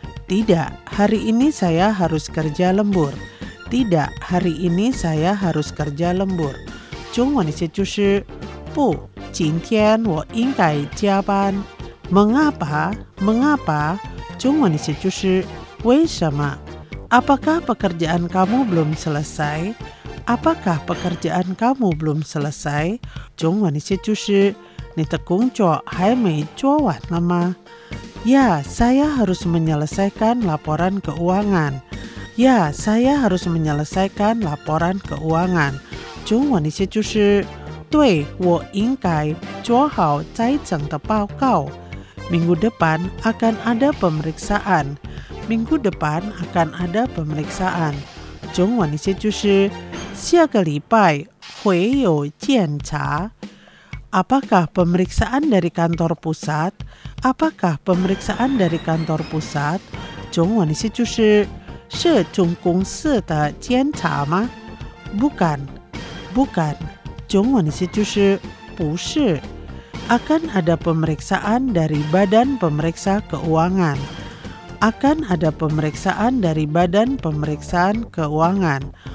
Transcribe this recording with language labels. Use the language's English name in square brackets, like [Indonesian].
[Indonesian] tidak， hari ini saya harus kerja lembur。 tidak， hari ini saya harus kerja lembur。 [Chinese] 中文意思就是不，今天我应该加班。 [Indonesian] mengapa， mengapa， [Chinese] 中文意思就是为什么。 [Indonesian] apakah pekerjaan kamu belum selesai？ apakah pekerjaan kamu belum selesai？ [Chinese] 中文意思就是你的工作还没做完了吗？ [Indonesian] ya， saya harus menyelesaikan laporan keuangan。 ya， saya harus menyelesaikan laporan keuangan。 [Chinese] 中文意思就是对，我应该做好财政的报告。 [Indonesian] Minggu depan akan ada pemeriksaan。 Minggu depan akan ada pemeriksaan。 [Chinese] 中文意思就是下个礼拜会有检查。 [Indonesian] Apakah pemeriksaan dari kantor pusat？ Apakah pemeriksaan dari kantor pusat？ [Chinese] 中文意思就是是总公司的检查吗？ [Indonesian] Bukan， bukan. Cungun situ si pusi. Akan ada pemeriksaan dari Badan Pemeriksa Keuangan. Akan ada pemeriksaan dari Badan Pemeriksaan Keuangan.